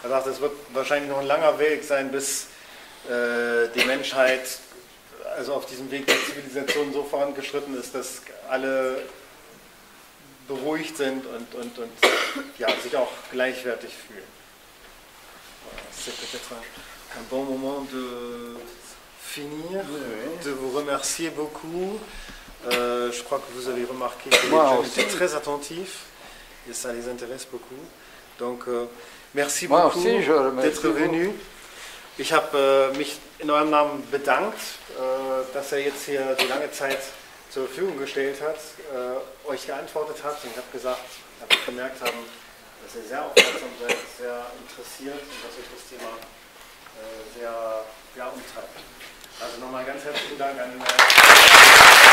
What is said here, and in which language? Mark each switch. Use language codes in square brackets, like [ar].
[de] Es wird wahrscheinlich noch ein langer Weg sein, bis die Menschheit also auf diesem Weg der Zivilisation so vorangeschritten ist, dass alle beruhigt sind und ja, sich auch gleichwertig fühlen. [fr] C'est peut-être un bon moment de finir, de vous remercier beaucoup. Je crois que vous avez remarqué que les gens étaient très attentifs et ça les intéresse beaucoup. Donc, merci beaucoup d'être venu. [de] Ich habe mich in eurem Namen bedankt, dass er jetzt hier die lange Zeit zur Verfügung gestellt hat, euch geantwortet hat und habe gemerkt haben, dass ihr sehr aufmerksam seid, sehr interessiert und dass euch das Thema sehr umtreibt. Also nochmal ganz herzlichen Dank an den Herrn.